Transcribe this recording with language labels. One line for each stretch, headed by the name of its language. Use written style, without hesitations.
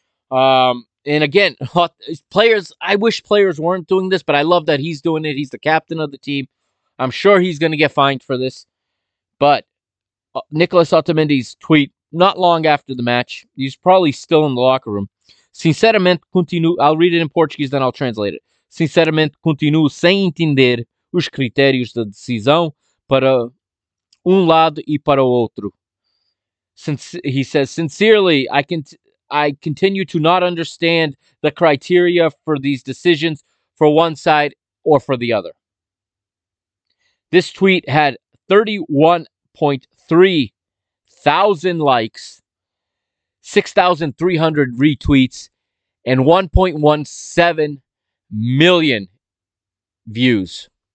English: And again, players, I wish players weren't doing this, but I love that he's doing it. He's the captain of the team. I'm sure he's going to get fined for this. But Nicolas Otamendi's tweet, not long after the match, he's probably still in the locker room. Sinceramente, I'll read it in Portuguese, then I'll translate it.
Portuguese: Sinceramente, continuo sem entender os critérios da decisão para lado e para outro.
English: Since he says, sincerely, I continue to not understand the criteria for these decisions for one side or for the other. This tweet had 31,300 likes, 6,300 retweets, and 1.17 million views.